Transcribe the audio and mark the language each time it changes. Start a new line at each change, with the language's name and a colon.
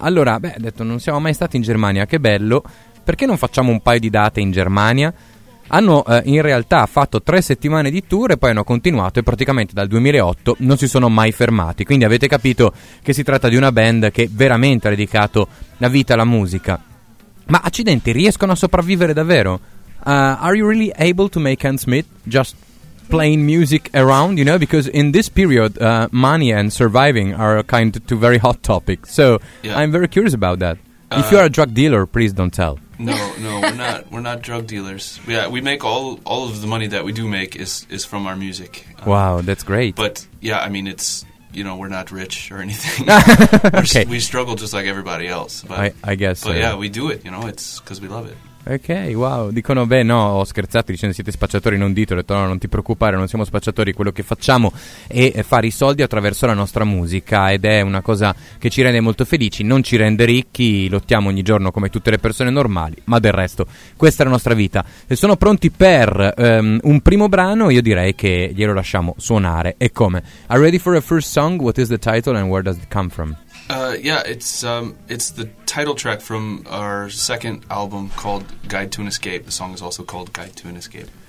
Italian: Allora, beh, detto, non siamo mai stati in Germania, che bello, perché non facciamo un paio di date in Germania? Hanno in realtà fatto 3 settimane di tour e poi hanno continuato, e praticamente dal 2008 non si sono mai fermati. Quindi avete capito che si tratta di una band che veramente ha dedicato la vita alla musica. Ma accidenti, riescono a sopravvivere davvero?
English: Are you really able to make ends meet just playing music around, you know? Because in this period money and surviving are kind of two very hot topics. So yeah. I'm very curious about that. If you are a drug dealer, please don't tell. No, we're not drug dealers. Yeah, we make all of the money that we do make is from our music. Wow, that's great. But yeah, I mean, it's, you know, we're not rich or anything. Okay. We struggle just like everybody else. But I guess. But yeah, we do it. You know, it's because we love it.
Italian: Ok, wow, dicono, beh, no, ho scherzato dicendo siete spacciatori, non dito, ho detto no, non ti preoccupare, non siamo spacciatori, quello che facciamo è fare i soldi attraverso la nostra musica, ed è una cosa che ci rende molto felici, non ci rende ricchi, lottiamo ogni giorno come tutte le persone normali, ma del resto, questa è la nostra vita. E sono pronti per un primo brano, io direi che glielo lasciamo suonare, e come?
English: Are ready for a first song? What is the title and where does it come from? Yeah, it's the title track from our second album called Guide to an Escape. The song is also called Guide to an Escape.